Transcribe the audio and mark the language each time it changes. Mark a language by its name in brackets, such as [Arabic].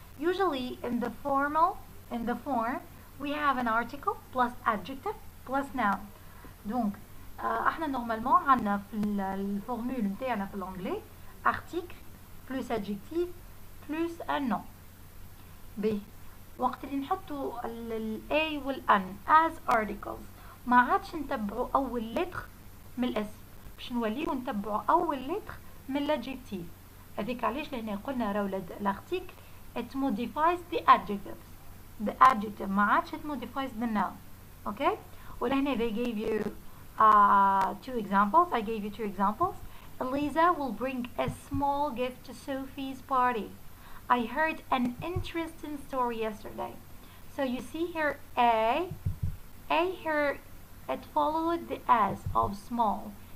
[English] Usually in the formal, in the form, we have an article plus adjective plus noun. [Arabic] Donc احنا normalement عندنا في الفورمول نتاعنا في الانجلي [English] article plus adjective plus [Arabic] un nom. B. وقت اللي نحطوا الA والN as articles ما عادش نتبعوا أول لتر من الاسم باش نوليو نتبعوا أول لتر من الأدجيكتيف. هذيك علاش لهنا قلنا راهو الأرتيكل [English] it modifies the adjectives. The adjective [Arabic] ما عادش [English] it modifies the noun. Okay؟ [Arabic] ولهنا [English] they gave you two examples. I gave you two examples. Eliza will bring a small gift to Sophie's party. I heard an interesting story yesterday. So you see here A here it followed the S of small.